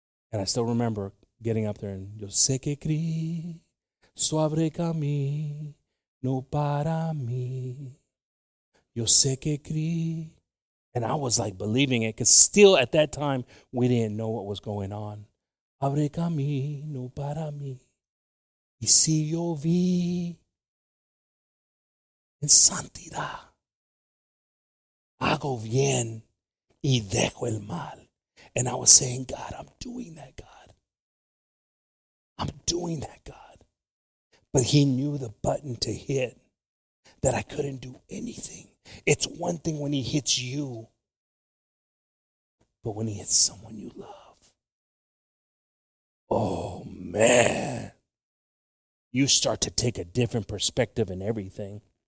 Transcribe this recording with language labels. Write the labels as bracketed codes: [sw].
[en] And I still remember getting up there and, [es] yo sé que Cristo abre camino para mí. Yo sé que Cristo. [en] And I was like believing it, because still at that time, we didn't know what was going on. [es] Abre camino para mí. Y si yo vi en santidad, hago bien y dejo el mal. [en] And I was saying, God, I'm doing that, God. I'm doing that, God. But he knew the button to hit, that I couldn't do anything. It's one thing when he hits you, but when he hits someone you love, oh, man, you start to take a different perspective in everything.